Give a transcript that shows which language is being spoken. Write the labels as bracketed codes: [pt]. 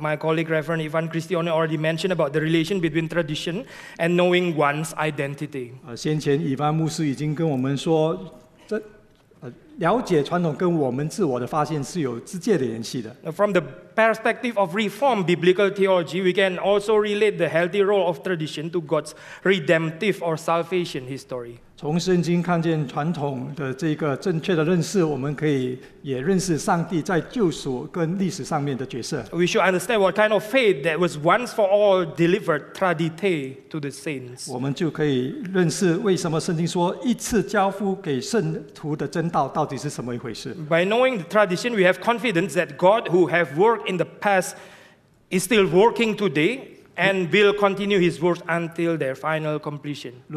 [en] My colleague Reverend Ivan Christiani already mentioned about the relation between tradition and knowing one's identity. [zh] 先前以凡牧师已经跟我们说，了解传统跟我们自我的发现是有直接的联系的。 [en] From the perspective of Reformed biblical theology, we can also relate the healthy role of tradition to God's redemptive or salvation history. [zh] 从圣经看见传统的这个正确的认识，我们可以也认识上帝在救赎跟历史上面的角色。 [en] We should understand what kind of faith that was once for all delivered tradite to the saints. [zh] 我们就可以认识为什么圣经说一次交付给圣徒的真道到底是什么一回事。 [en] By knowing the tradition, we have confidence that God, who have worked in the past, is still working today, and will continue his works until their final completion.